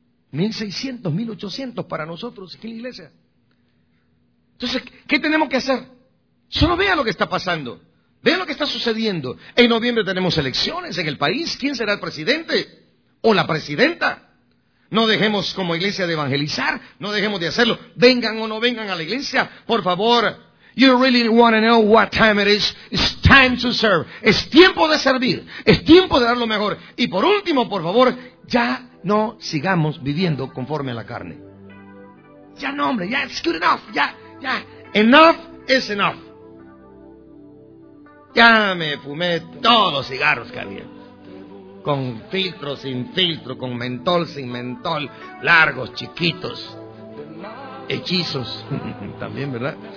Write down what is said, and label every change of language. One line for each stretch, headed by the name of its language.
Spanish: 1600, 1800 para nosotros aquí en la iglesia. Entonces, ¿qué tenemos que hacer? Solo vea lo que está pasando. Vea lo que está sucediendo. En noviembre tenemos elecciones en el país. ¿Quién será el presidente o la presidenta? No dejemos como iglesia de evangelizar. No dejemos de hacerlo. Vengan o no vengan a la iglesia, por favor.
English: You really want to know what time it is. It's time to serve.
Spanish: Es tiempo de servir. Es tiempo de dar lo mejor. Y por último, por favor, ya no sigamos viviendo conforme a la carne. Ya no, hombre.
English: Ya, it's good enough. Ya. Enough is enough.
Spanish: Ya me fumé todos los cigarros que había. Con filtro, sin filtro, con mentol, sin mentol, largos, chiquitos, hechizos, también, ¿verdad?